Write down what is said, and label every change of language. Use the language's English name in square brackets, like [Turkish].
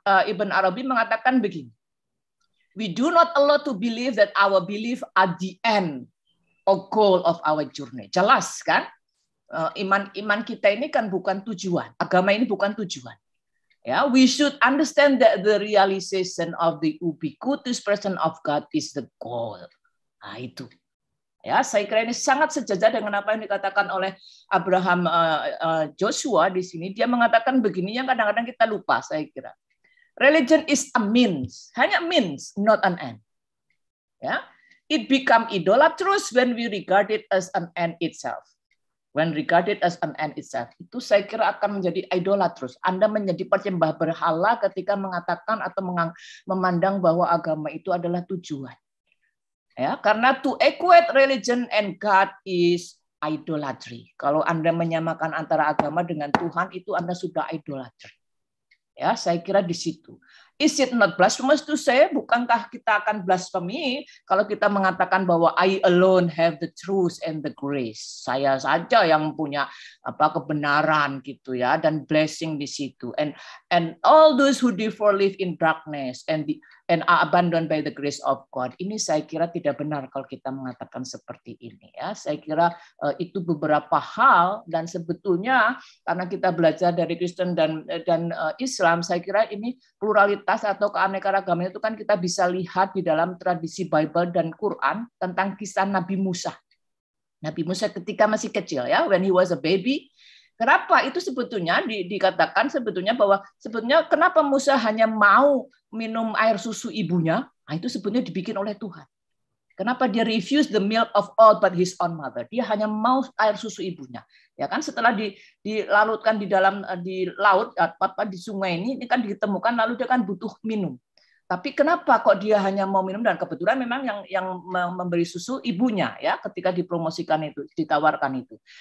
[Indonesian] Ibnu Arabi mengatakan begini, [English] we do not allow to believe that our belief are the end or goal of our journey. [Indonesian] Jelas, kan? Iman kita ini kan bukan tujuan, agama ini bukan tujuan. [English] Ya, we should understand that the realization of the ubiquitous presence of God is the goal. [Indonesian] Nah, itu. Ya, saya kira ini sangat sejajar dengan apa yang dikatakan oleh Abraham Joshua di sini. Dia mengatakan begini yang kadang-kadang kita lupa, saya kira. [English] Religion is a means, hanya means, not an end. Ya, it become idolatrous when we regard it as an end itself. When regarded as an end itself, [Indonesian] itu saya kira akan menjadi idolatrous. Anda menjadi penyembah berhala ketika mengatakan atau memandang bahwa agama itu adalah tujuan. [English] Ya, karena to equate religion and God is idolatry. [Indonesian] Kalau Anda menyamakan antara agama dengan Tuhan, itu Anda sudah idolatry. Ya, saya kira di situ. [English] Is it not blasphemous to say, [Indonesian] bukankah kita akan blasphemy kalau kita mengatakan bahwa [English] I alone have the truth and the grace. [Indonesian] Saya saja yang punya apa kebenaran gitu ya, dan blessing di situ. [English] And all those who therefore live in darkness and are abandoned by the grace of God. [Indonesian] Ini saya kira tidak benar kalau kita mengatakan seperti ini ya. Saya kira itu beberapa hal, dan sebetulnya karena kita belajar dari Kristen dan Islam, saya kira ini pluralitas atau keanekaragaman itu kan kita bisa lihat di dalam tradisi Bible dan Quran tentang kisah Nabi Musa. Nabi Musa ketika masih kecil ya, [English] when he was a baby. [Indonesian] Kenapa itu sebetulnya dikatakan sebetulnya bahwa sebetulnya kenapa Musa hanya mau minum air susu ibunya? Nah, itu sebetulnya dibikin oleh Tuhan. Kenapa dia [English] refuse the milk of all but his own mother? [Indonesian] Dia hanya mau air susu ibunya. Ya kan, setelah dilarutkan di sungai ini kan ditemukan, lalu dia kan butuh minum. Tapi kenapa kok dia hanya mau minum, dan kebetulan memang yang memberi susu ibunya ya, ketika dipromosikan itu, ditawarkan itu.